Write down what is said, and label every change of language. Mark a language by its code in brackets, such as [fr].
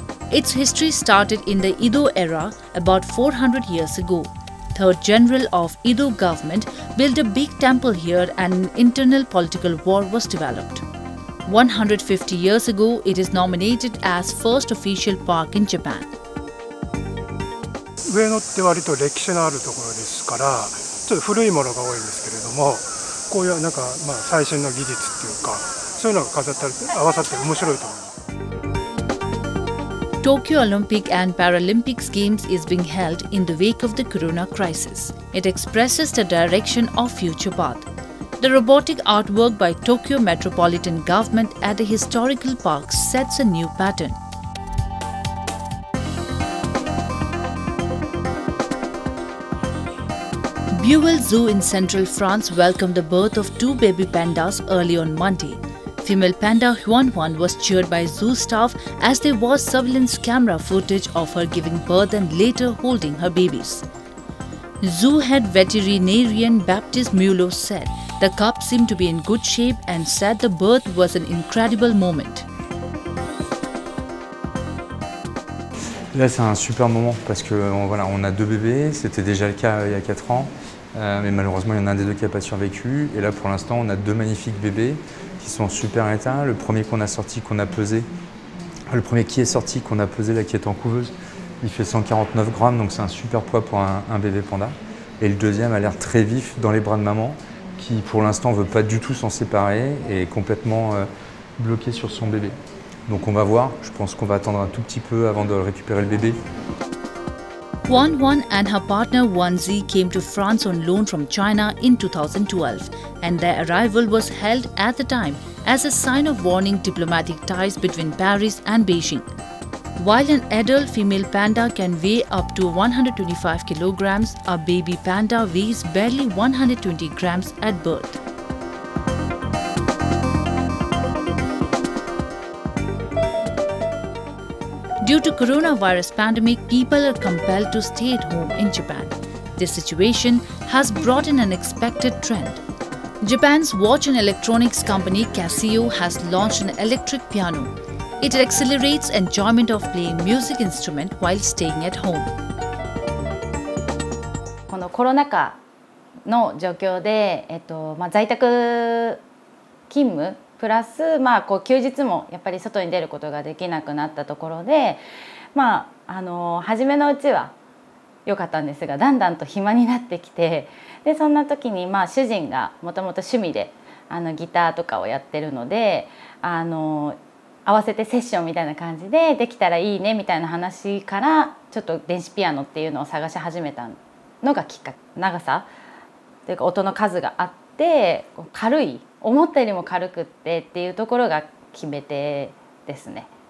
[en] Its history started in the Edo era, about 400 years ago. Third general of Edo government built a big temple here and an internal political war was developed. 150 years ago, it is nominated as first official park in Japan. [ja] Ueno って割と歴史のあるところですから、ちょっと古いものが多いんですけれども、こういうなんか最新の技術っていうか、そういうのが飾ったり合わさって面白いと思います。 [en] Tokyo Olympic and Paralympic Games is being held in the wake of the Corona crisis. It expresses the direction of future path. The robotic artwork by Tokyo Metropolitan Government at the historical park sets a new pattern. Buell Zoo in central France welcomed the birth of two baby pandas early on Monday. Female panda Huan Huan was cheered by zoo staff as they watched surveillance camera footage of her giving birth and later holding her babies. Zoo head veterinarian Baptiste Mulot said the cub seemed to be in good shape and said the birth was an incredible moment. [fr] Là, c'est un super moment parce que voilà, on a deux bébés, c'était déjà le cas il y a 4 ans, mais malheureusement, il y en a un des deux qui a pas survécu. Et là, pour l'instant, on a deux magnifiques bébés qui sont en super état. Le premier qu'on a sorti, qu'on a pesé, le premier qui est sorti, qu'on a pesé, là, qui est en couveuse, il fait 149 grammes, donc c'est un super poids pour un bébé panda. Et le deuxième a l'air très vif dans les bras de maman, qui pour l'instant ne veut pas du tout s'en séparer et est complètement bloqué sur son bébé. Donc on va voir, je pense qu'on va attendre un tout petit peu avant de récupérer le bébé. [en] Huan Huan and her partner Wan Zi came to France on loan from China in 2012, and their arrival was held at the time as a sign of warning diplomatic ties between Paris and Beijing. While an adult female panda can weigh up to 125 kilograms, a baby panda weighs barely 120 grams at birth. Due to coronavirus pandemic, people are compelled to stay at home in Japan. This situation has brought in an expected trend. Japan's watch and electronics company Casio has launched an electric piano. It accelerates enjoyment of playing music instrument while staying at home. [ja] このコロナ禍の状況で、まあ在宅勤務プラス、まあこう休日もやっぱり外に出ることができなくなったところで、まあ初めのうちは良かったんですが、だんだんと暇になってきて、でそんな時にまあ主人がもともと趣味でギターとかをやってるので、合わせてセッションみたいな感じでできたらいいねみたいな話からちょっと電子ピアノっていうのを探し始めたのがきっかけ、長さというか音の数があって軽い、思ったよりも軽くってっていうところが決め手ですね。